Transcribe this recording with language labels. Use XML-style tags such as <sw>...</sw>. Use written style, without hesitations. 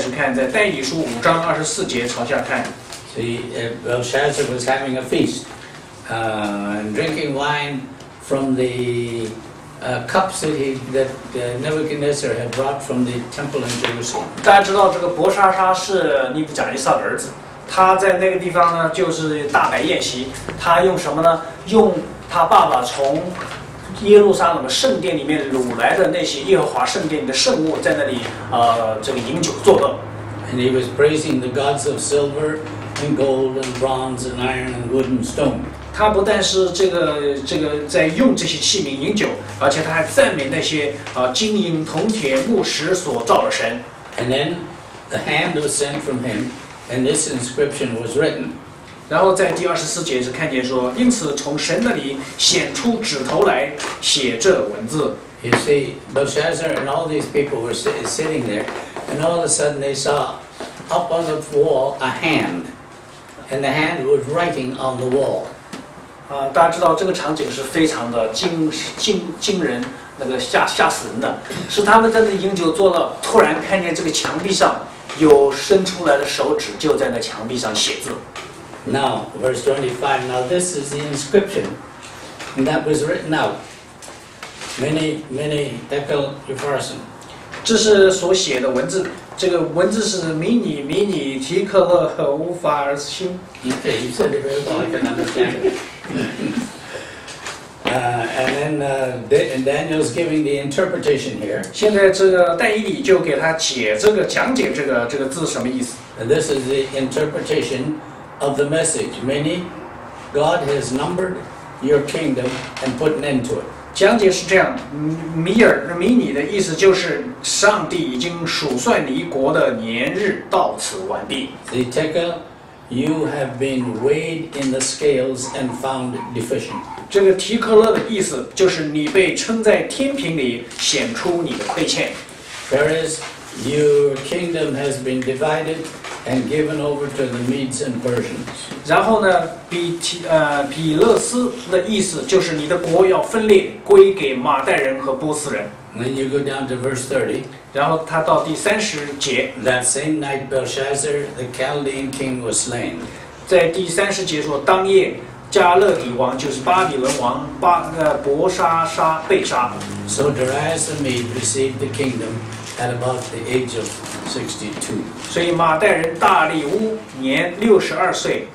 <zh>24节我们开始看，在但以书五章24节朝下看。</zh> <en>See, Belshazzar was having a feast, and drinking wine from the cups that Nebuchadnezzar had brought from the temple in Jerusalem.</en> <zh>大家知道这个伯沙沙是尼布甲尼撒的儿子，他在那个地方呢，就是大摆宴席。他用什么呢？用他爸爸从耶路撒冷的圣殿里面掳来的那些耶和华圣殿里的圣物，在那里这个饮酒作乐。</zh> <en>And he was praising the gods of silver and gold and bronze and iron and wood and stone.</en> <zh>他不但是这个在用这些器皿饮酒，而且他还赞美那些金银铜铁木石所造的神。</zh> <en>And then the hand was sent from him, and this inscription was written.</en> <zh>然后在第二十四节是看见说，因此从神那里显出指头来写这文字。</zh> <en>You see, Belshazzar and all these people were sitting there, and all of a sudden they saw up on the wall a hand, and the hand was writing on the wall.</en> <zh>大家知道这个场景是非常的惊人，那个吓死人的，是他们在那饮酒作乐，突然看见这个墙壁上有伸出来的手指，就在那墙壁上写字。</zh> <en>Now, verse 25. Now this is the inscription that was written out. Many Deckel Epharson，</en> <zh>这是所写的文字。这个文字是迷你迷你提克勒和乌法尔斯星。</zh> <en>Okay, you said it very well. I can understand. And then Daniel's giving the interpretation here.</en> <zh>现在这个但以理就给他解这个讲解这个字什么意思。</zh> <en>And this is the interpretation of the message. Many, God has numbered your kingdom and put an end to it.</en> <zh>讲解是这样，迷你的意思就是上帝已经数算你国的年日到此完毕。</zh> <en>The Tekel, you have been weighed in the scales and found deficient。</en> <zh>这个提克勒的意思就是你被称在天平里显出你的亏欠。</zh> <en>Whereas your kingdom has been divided and given over to the Medes and Persians。</en> <zh>然后呢，比勒斯的意思就是你的国要分裂，归给马代人和波斯人。</zh> <en>Then you go down to verse 30。</en> <zh>然后他到第三十节。</zh> <en>That same night, Belshazzar, the Chaldean king, was slain。</en> <zh>在第三十节说，当夜加勒底王就是巴比伦王伯沙沙被杀。</zh> <en>So Darius the Mede received the kingdom at about the age of 62。</en> <zh>所以马代人大力乌年62岁。</zh>